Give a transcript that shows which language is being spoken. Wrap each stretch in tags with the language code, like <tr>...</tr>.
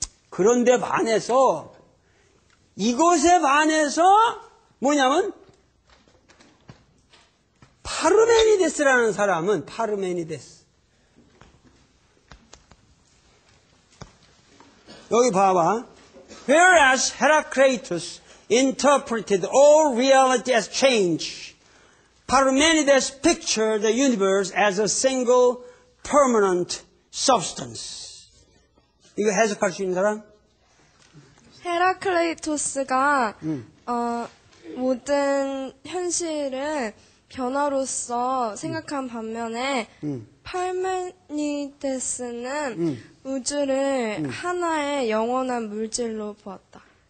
<ko>그런데 반해서 이것에 반해서 뭐냐면 파르메니데스라는 사람은 파르메니데스 여기 봐봐.</ko> <en>Whereas Heraclitus interpreted all reality as change, Parmenides pictured the universe as a single permanent substance.</en> <ko>이거 해석할 수 있는 사람? 헤라클레이토스가 모든 현실을 변화로서 생각한 반면에 파르메니데스는 우주를 하나의 영원한 물질로 보았다.</ko>